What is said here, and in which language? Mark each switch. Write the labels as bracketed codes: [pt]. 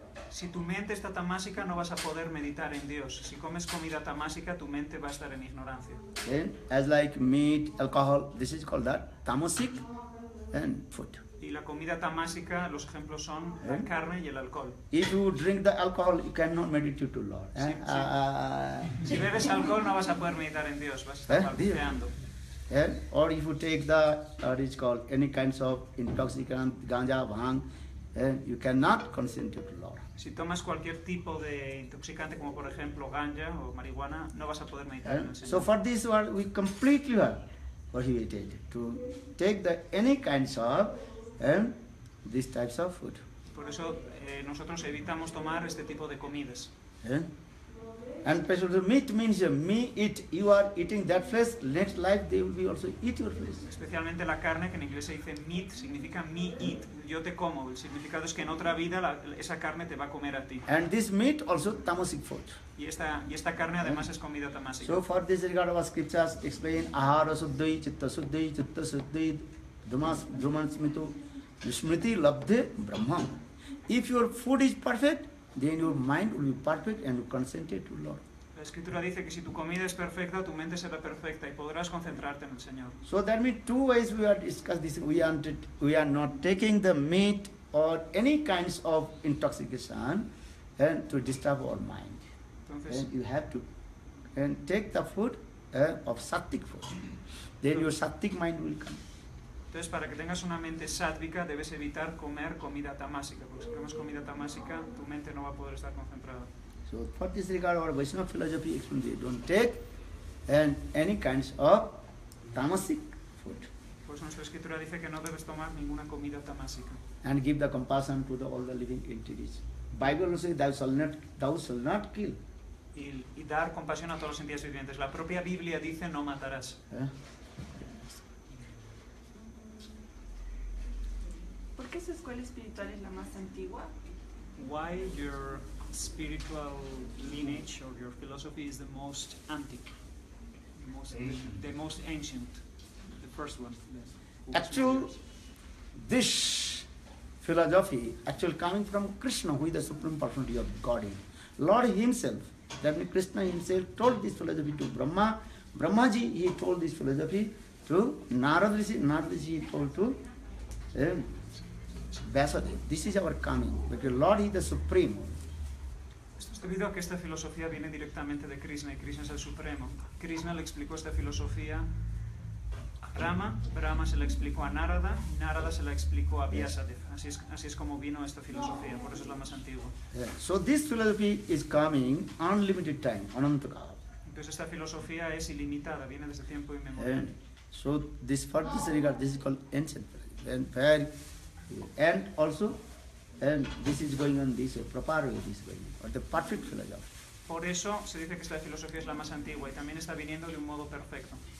[es] Si tu mente está tamásica, no vas a poder meditar en Dios. Si comes comida tamásica, tu mente va a estar en ignorancia. [en] Then, as like meat, alcohol, this is called that tamasic and food. [es] Y la comida tamásica, los ejemplos son la carne y el alcohol. [en] If you drink the alcohol, you cannot meditate to Lord. [es] Sí, sí. Si bebes alcohol, no vas a poder meditar en Dios, vas a estar balbuceando. [en] Or if you take the, what is called, any kinds of intoxicant, ganja, bhang, you cannot concentrate to Lord. [es] Si tomas cualquier tipo de intoxicante, como por ejemplo ganja o marihuana, no vas a poder meditar en el Señor. [en] So for this world, we completely are prohibited to take the any kinds of these types of food. [es] Por eso nosotros evitamos tomar este tipo de comidas. [en] And especially meat means me eat, you are eating that flesh, next life they will be also eat your flesh. [es] Especialmente la carne, que en inglés se dice meat, significa [en] me eat, [es] yo te como. El significado es que en otra vida esa carne te va a comer a ti. [en] And this meat also tamasic food. [es] Y esta carne además es comida tamasic. [en] So for this regard our scriptures explain [sa] ahara suddhi, chitta suddhi, chitta suddhi, dhumas, dhuman smitu, smriti, labdhe, brahman. [en] If your food is perfect, then your mind will be perfect and concentrated to Lord. [es] La escritura dice que si tu comida es perfecta, tu mente será perfecta y podrás concentrarte en el Señor. [en] So there are two ways we are discussing this. We are not taking the meat or any kinds of intoxication and to disturb our mind. [es] Entonces, [en] and you have to and take the food of sattvic food. Then your sattvic mind will come. [es] Entonces, para que tengas una mente sattvica, debes evitar comer comida tamásica, porque si comes comida tamásica, tu mente no va a poder estar concentrada. [en] So, for this regard, our Vaishnava philosophy explains that don't take any kinds of tamasic food. [es] Pues nuestra escritura dice que no debes tomar ninguna comida tamásica. [en] And give the compassion to all the living entities. Bible says, thou shall not kill. [es] Y dar compasión a todos los entidades vivientes. La propia Biblia dice, no matarás. ¿Por qué su escuela espiritual es la más antigua? [en] Why your spiritual lineage or your philosophy is the most antique, the most ancient, the first one? Yes. Actual, this philosophy actually coming from Krishna, who is the supreme personality of Godhead. Lord Himself That means Krishna himself told this philosophy to Brahma. Brahmaji, he told this philosophy to Narada Rishi. Narada Rishi he told to Vyasadeva. This is our coming, because Lord is the Supreme. [es] Debido a que esta filosofía viene directamente de Krishna y Krishna es el Supremo. Krishna le explicó esta filosofía a Brahma, Brahma se la explicó a Narada, Narada se la explicó a Vyasadeva. Así es como vino esta filosofía, por eso es la más antigua. [en] Yeah. So this philosophy is coming unlimited time, anantakala. [es] Entonces esta filosofía es ilimitada, viene desde tiempo inmemorial. [en] So this for this regard, this is called ancient philosophy. And very, and also, and this is going on this way, proper way this way. The perfect philosophy. [es] Por eso se dice que esta filosofía es la más antigua y también está viniendo de un modo perfecto.